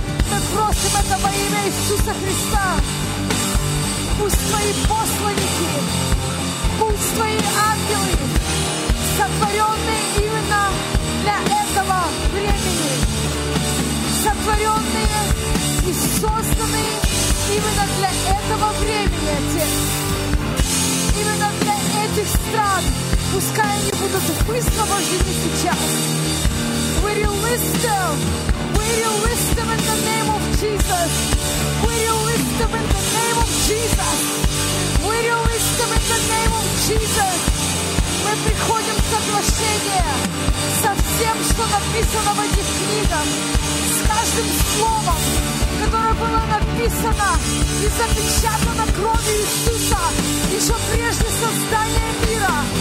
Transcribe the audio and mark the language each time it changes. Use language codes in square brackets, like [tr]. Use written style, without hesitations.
[ru] Мы просим это во имя Иисуса Христа. Пусть твои посланники, пусть твои ангелы, сотворенные именно для этого времени, сотворенные и созданные именно для этого времени, Отец, именно для этих стран, пускай они будут высвобождены сейчас. [en] We release them in the name of Jesus. We release them in the name of Jesus. We release them in the name of Jesus. [ru] Мы приходим в соглашение со всем, что написано в этих книгах, с каждым словом, которое было написано и запечатано кровью Иисуса еще прежде создания мира.